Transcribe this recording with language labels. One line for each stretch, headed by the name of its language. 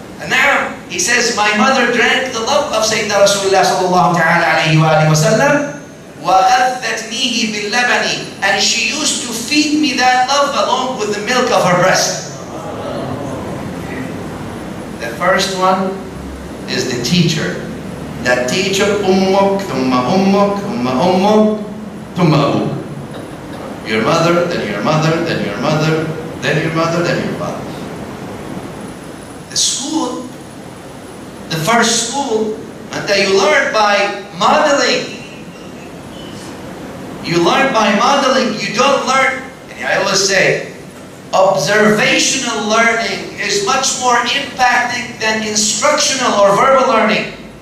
English: And now, he says, my mother drank the love of Sayyidina Rasulullah sallallahu ta'ala alayhi wa alayhi wa sallam,
Arabic: وَغَذَّتْنِيهِ بِاللَّبَنِ,
English: and she used to feed me that love along with the milk of her breast. The first one is the teacher. That teacher,
Arabic: أُمُّك, ثُمَّ أُمُّك, ثُمَّ أُمُّك, ثُمَّ أُمُّك.
English: Your mother, then your mother, then your mother, then your mother, then your father. The school, the first school, and that you learn by modeling. You learn by modeling, you don't learn. And I always say, observational learning is much more impacting than instructional or verbal learning.